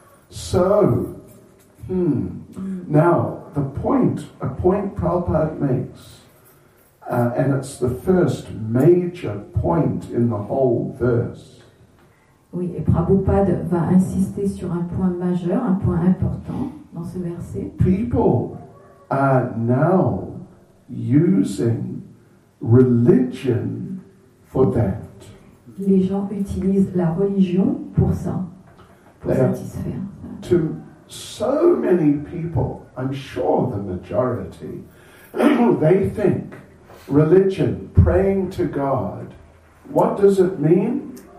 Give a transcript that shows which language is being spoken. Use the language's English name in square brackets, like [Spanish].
[English] So, now, a point Prabhupada makes, and it's the first major point in the whole verse. [French] Oui, et Prabhupada va insister sur un point majeur, un point important dans ce verset. [English] People are now using religion for that. [French] Les gens utilisent la religion pour ça, pour satisfaire. [English] To so many people, I'm sure the majority, they think religion, praying to God, what does it mean?